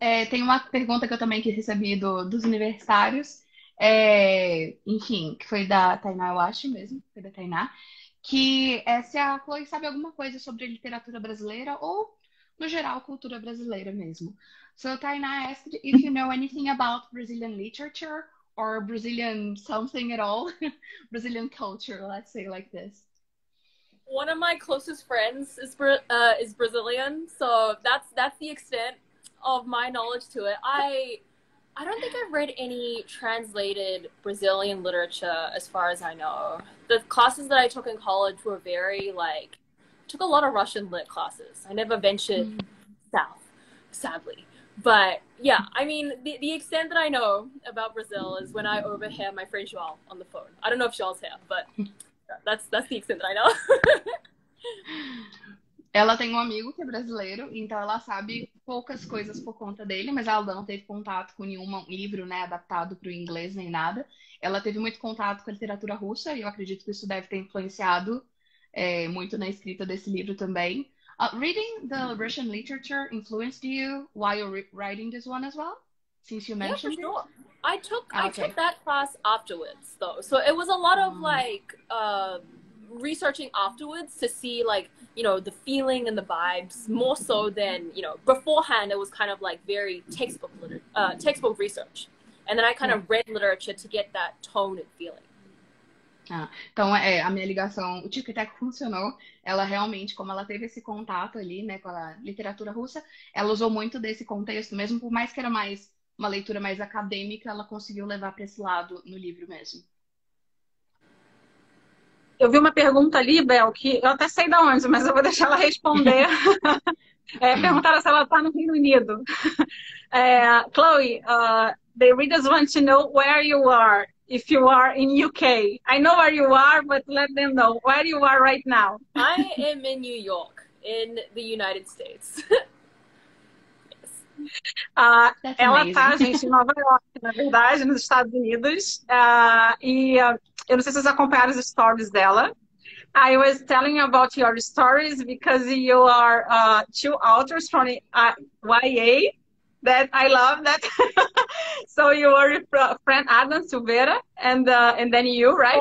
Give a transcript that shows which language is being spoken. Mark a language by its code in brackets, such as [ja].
[pt] Tem uma pergunta que eu também que recebi dos universitários, enfim, que foi da Tainá, eu acho mesmo, foi da Tainá, que é se a Chloe sabe alguma coisa sobre literatura brasileira ou, no geral, cultura brasileira mesmo. [en] So, Tainá asked if you know anything about Brazilian literature or Brazilian something at all, Brazilian culture, let's say like this. One of my closest friends is Brazilian, so that's the extent of my knowledge to it. I don't think I've read any translated Brazilian literature as far as I know. The classes that I took in college were very, like, took a lot of Russian lit classes. I never ventured south, sadly. But yeah, I mean, the extent that I know about Brazil is when I overhear my friend Joel on the phone. I don't know if Joel's here, but that's the extent that I know. [pt] Ela tem um amigo que é brasileiro, então ela sabe poucas coisas por conta dele, mas ela não teve contato com nenhum livro, né, adaptado para o inglês nem nada. Ela teve muito contato com a literatura russa e eu acredito que isso deve ter influenciado muito na escrita desse livro também. [en] Reading the Russian literature influenced you while you're writing this one as well? Since you mentioned it? Sure. I took that class afterwards, though. So it was a lot of researching afterwards to see, like, you know, the feeling and the vibes, more so than, you know, beforehand it was kind of like very textbook research, and then I kind of read literature to get that tone and feeling. [pt] Então a minha ligação, o tipo até que funcionou, ela realmente, como ela teve esse contato ali, né, com a literatura russa, ela usou muito desse contexto mesmo, por mais que era mais uma leitura mais acadêmica, ela conseguiu levar para esse lado no livro mesmo. Eu vi uma pergunta ali, Bel, que eu até sei de onde, mas eu vou deixar ela responder. Perguntaram se ela está no Reino Unido. [en] Chloe, the readers want to know where you are, if you are in UK. I know where you are, but let them know where you are right now. I am in New York. in the United States. [pt] Ela está, gente, em Nova York, na verdade, nos Estados Unidos. Eu não sei se vocês acompanharam as stories dela. [en] I was telling about your stories because you are two authors from YA that I love that. So you are friend Adam Silveira and then you, right?